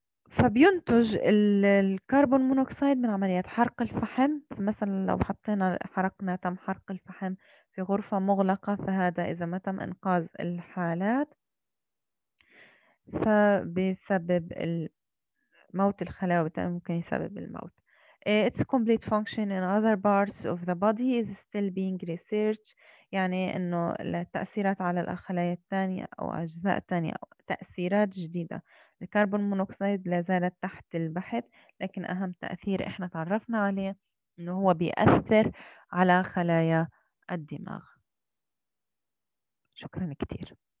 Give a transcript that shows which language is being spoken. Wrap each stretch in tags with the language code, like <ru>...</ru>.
<ar>فبينتج الكربون مونوكسيد من عمليات حرق الفحم. فمثلا لو حطينا حرقنا تم حرق الفحم في غرفة مغلقة، فهذا إذا ما تم إنقاذ الحالات فبيسبب موت الخلايا، ممكن يسبب الموت.</ar> <en>Its complete function in other parts of the body is still being researched.</en> <ar>يعني إنه التأثيرات على الخلايا الثانية أو أجزاء ثانية، تأثيرات جديدة الكربون مونوكسيد لا زالت تحت البحث، لكن أهم تأثير إحنا تعرفنا عليه إنه هو بيأثر على خلايا الدماغ. شكرا كتير.</ar>